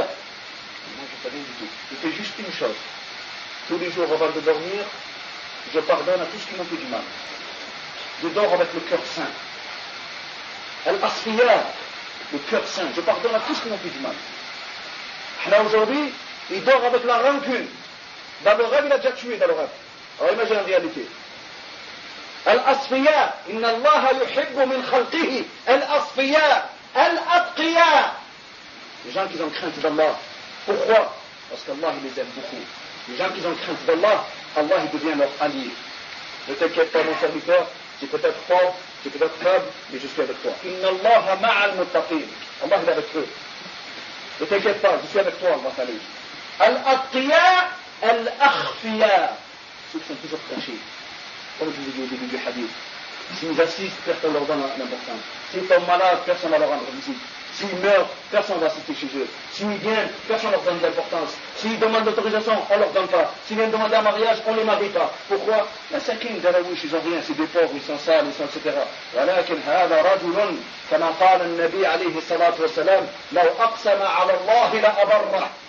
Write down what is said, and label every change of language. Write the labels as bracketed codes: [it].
[fr] Moi, je n'ai rien du tout. Je fais juste une chose. Tous les jours avant de dormir, je pardonne à tous qui m'ont fait du mal. Je dors avec le cœur saint. Elle asfiya, le cœur saint. Je pardonne à tous qui m'ont fait du mal. Là aujourd'hui, il dort avec la rancune. Dans le rêve, il a déjà tué dans le rêve. Alors imagine la réalité. [ar] الأصفياء، إن الله يحب من خلقه الأصفياء الأتقياء. [fr] Les gens qui ont crainte d'Allah. Pourquoi? Parce qu'Allah les aime beaucoup. Les gens qui ont crainte d'Allah, Allah devient leur allié. Ne t'inquiète pas, mon serviteur, tu peux être fort, tu peux être faible, mais je suis avec toi. [ar] إن الله مع المتقين. [fr] Allah est avec eux. Ne t'inquiète pas, je suis avec toi, Allah t'allie. [ar] الأتقياء الأخفياء. [fr] Ceux qui sont toujours cachés. Comme je vous ai dit au début du hadith. Si ils assistent, personne ne leur donne l'importance. Si ils sont malades, personne ne leur rend visite. Si ils meurent, personne ne va assister chez eux. Si ils viennent, personne ne leur donne l'importance. Si ils demandent l'autorisation, on ne leur donne pas. S'ils viennent demander un mariage, on ne les marie pas. Pourquoi? La sakine de la bouche, ils n'ont rien, c'est des pauvres, ils sont sales, ils sont etc. [ar] ولكن هذا رجل كما قال النبي عليه الصلاة والسلام لو أقسم على الله لأبره.